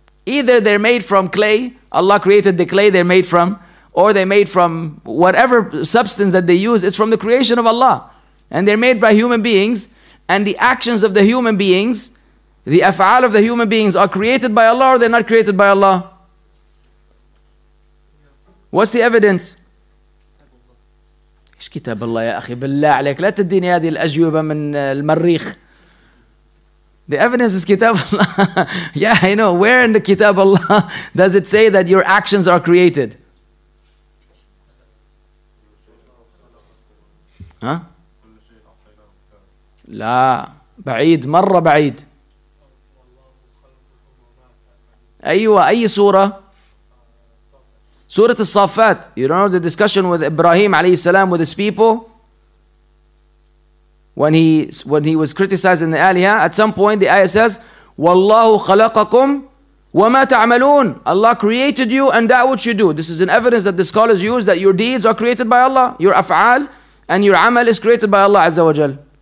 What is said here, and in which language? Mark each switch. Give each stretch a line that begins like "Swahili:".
English: Either they're made from clay, Allah created the clay they're made from, or they're made from whatever substance that they use, it's from the creation of Allah. And they're made by human beings, and the actions of the human beings, the af'al of the human beings, are created by Allah or they're not created by Allah? What's the evidence?
Arabic: إيش كتاب الله يا أخي بالله عليك لا تديني هذه الأجوبة من المريخ.
English: The evidence is كتاب الله. Yeah, I know. Where in the كتاب الله does it say that your actions are created?
Arabic: لا بعيد مرة بعيد. أيوة أي سورة؟ Surah Al-Saffat.
English: You don't know the discussion with Ibrahim alayhi salam with his people when he was criticized in the Aliha. At some point the ayah says,
Arabic: Wallahu khalaqakum wama ta'amaloon.
English: Allah created you and that which you do. This is an evidence that the scholars use that your deeds are created by Allah, your af'al and your amal is created by Allah Azza wa Jal.